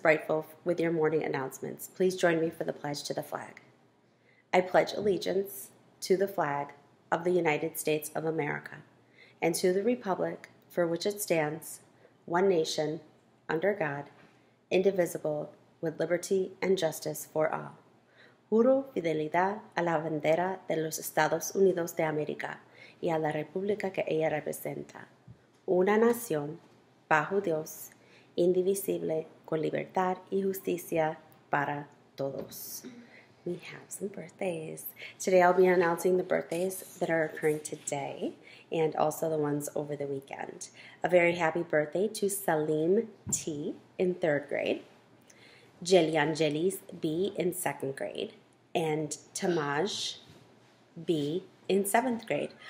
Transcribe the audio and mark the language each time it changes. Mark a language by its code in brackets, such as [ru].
[en] Brightful with your morning announcements. Please join me for the pledge to the flag. I pledge allegiance to the flag of the United States of America and to the republic for which it stands, one nation, under God, indivisible, with liberty and justice for all. [es] Juro fidelidad a la bandera de los Estados Unidos de América y a la República que ella representa. Una nación, bajo Dios, indivisible, con libertad y justicia para todos. [en] We have some birthdays. Today I'll be announcing the birthdays that are occurring today and also the ones over the weekend. A very happy birthday to Salim T. in third grade, Jelianjelis B. in second grade, and Tamaj B. in seventh grade.